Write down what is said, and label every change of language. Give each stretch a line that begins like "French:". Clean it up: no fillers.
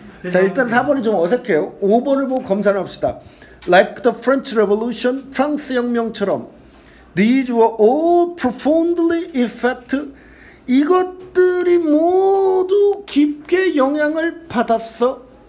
Korean: 자, 일단 4번이 좀 어색해요. 5번을 보고 검사를 합시다.
English: Like the French Revolution,
Korean: 프랑스 혁명처럼,
English: these were all profoundly effect.
Korean: 이것들이 모두 깊게 영향을 받았어.